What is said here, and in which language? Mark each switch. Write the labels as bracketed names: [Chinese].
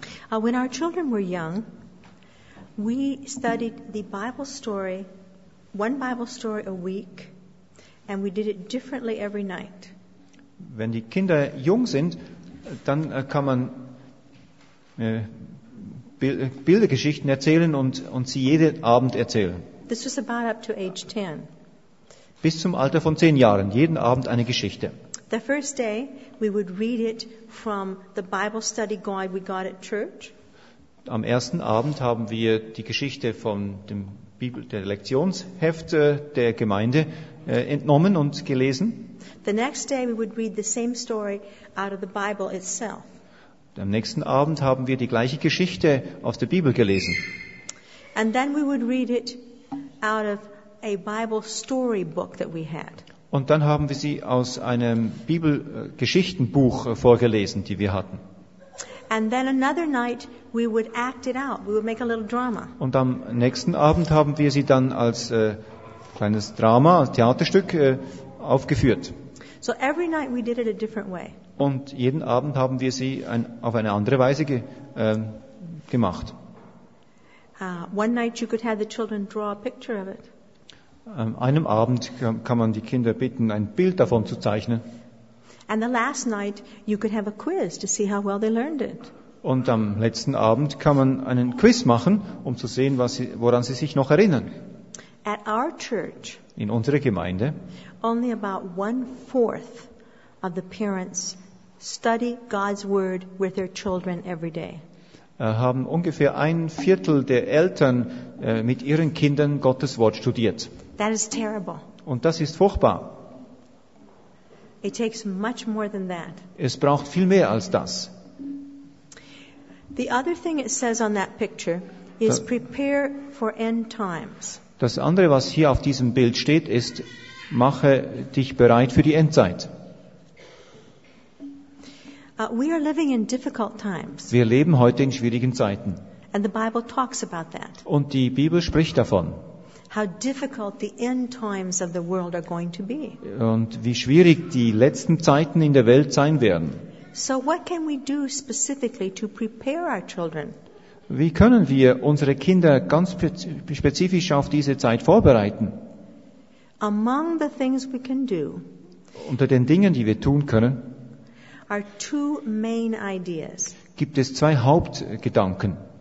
[English] When our children were young, we studied the Bible story, one Bible story a week, and we did it differently every night. [German] Wenn die Kinder jung sind, dann kann man Bildergeschichten erzählen und sie jeden Abend erzählen. [English] This was about up to age 10. [German] Bis zum Alter von 10 Jahren, jeden Abend eine Geschichte. [English] The first day, we would read it from the Bible study guide we got at church. [German] Am ersten Abend haben wir die Geschichte von dem der Lektionsheft der Gemeinde entnommen und gelesen. [English] The next day, we would read the same story out of the Bible itself. [German] Am nächsten Abend haben wir die gleiche Geschichte aus der Bibel gelesen. [English] And then we would read it out of a Bible story book that we had. [German] Und dann haben wir sie aus einem Bibelgeschichtenbuch vorgelesen, die wir hatten. [English] And then another night we would act it out. We would make a little drama. [German] Und am nächsten Abend haben wir sie dann als kleines Drama, als Theaterstück aufgeführt. [English] So every night we did it a different way. [German] Und jeden Abend haben wir sie auf eine andere Weise gemacht. [English] One night you could have the children draw a picture of it. [German] Einem Abend kann man die Kinder bitten, ein Bild davon zu zeichnen. [English] And the last night you could have a quiz to see how well they learned it. [German] Und am letzten Abend kann man einen Quiz machen, um zu sehen, woran sie sich noch erinnern. [English] At our church, [German] in unserer Gemeinde, [English] only about 1/4 of the parents study God's word with their children every day. [German] Haben ungefähr 1/4 der Eltern mit ihren Kindern Gottes Wort studiert. [English] That is terrible. [German] Und das ist furchtbar. [English] It takes much more than that. [German] Es braucht viel mehr als das. [English] The other thing it says on that picture is prepare for end times. [German] Das andere, was hier auf diesem Bild steht, ist, mache dich bereit für die Endzeit. [English] We are living in difficult times. [German] Wir leben heute in schwierigen Zeiten. [English] And the Bible talks about that. [German] Und die Bibel spricht davon. [English] How difficult the end times of the world are going to be. [German] Und wie schwierig die letzten Zeiten in der Welt sein werden. [English] So what can we do specifically to prepare our children? [German] Wie können wir unsere Kinder ganz spezifisch auf diese Zeit vorbereiten? [English] Among the things we can do, [German] unter den Dingen, die wir tun können, [English] are two main ideas. [German] Gibt es zwei Hauptgedanken.